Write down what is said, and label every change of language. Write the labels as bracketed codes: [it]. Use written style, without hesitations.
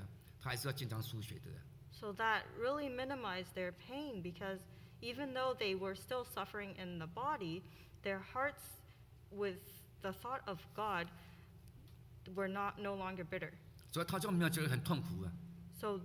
[zh] 看得很淡，他都不会觉得心中很痛苦，但是他也是有血癌呀，他还是要经常输血的。 [en] So that really minimized their pain because even though they were still suffering in the body, their hearts with the thought of God were not no longer bitter. [zh] 所以他就没有觉得很痛苦啊。 [en] So